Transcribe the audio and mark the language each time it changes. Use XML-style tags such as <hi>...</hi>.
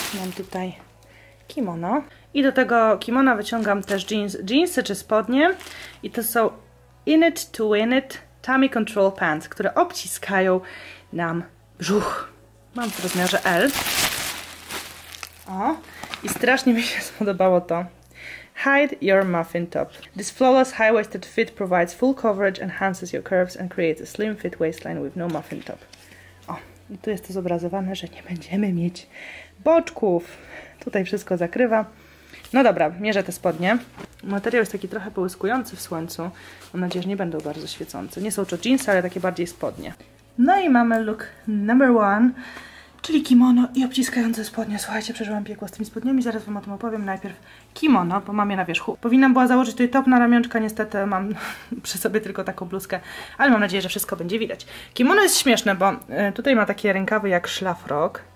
<pl>Mam tutaj kimono. I do tego kimona wyciągam też jeansy czy spodnie. I to są In It To Win It Tummy Control Pants, które obciskają nam brzuch. Mam w rozmiarze L. O! I strasznie mi się spodobało to.</pl> <en>Hide your muffin top. This flawless high-waisted fit provides full coverage, enhances your curves and creates a slim fit waistline with no muffin top.</en> <pl>O, i tu jest to zobrazowane, że nie będziemy mieć boczków. Tutaj wszystko zakrywa. No dobra, mierzę te spodnie. Materiał jest taki trochę połyskujący w słońcu. Mam nadzieję, że nie będą bardzo świecące. Nie są to jeansy, ale takie bardziej spodnie. No i mamy</pl> <en>look number one.</en> <pl>Czyli kimono i obciskające spodnie. Słuchajcie, przeżyłam piekło z tymi spodniami, zaraz Wam o tym opowiem. Najpierw kimono, bo mam je na wierzchu. Powinnam była założyć tutaj top na ramionczka, niestety mam przy sobie tylko taką bluzkę, ale mam nadzieję, że wszystko będzie widać. Kimono jest śmieszne, bo tutaj ma takie rękawy jak szlafrok.</pl>